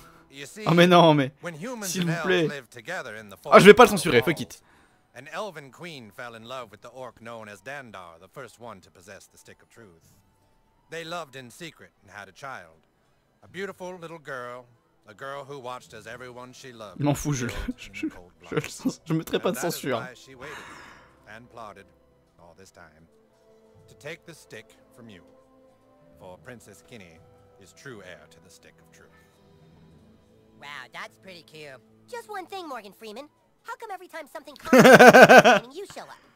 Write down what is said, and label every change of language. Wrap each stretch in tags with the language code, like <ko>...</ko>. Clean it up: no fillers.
<en>You see,</en> <fr>oh mais non, mais</fr> <en>when humans</en> <fr>s'il vous plaît. Ah, je vais pas le censurer, fuck it.</fr> <en>An elven queen fell in love with the orc known as Dandar, the first one to possess the stick of truth. They loved in secret and had a child. A beautiful little girl, a girl who watched as everyone she loved.</en> <fr>Je m'en fous, je mettrai pas de censure.</fr> <en>She waited and plotted all this time to take the stick from you. For Princess Kinney is true heir to the stick of truth. Wow, that's pretty cute. Just one thing, Morgan Freeman. How come every time something comes, you show up?</en>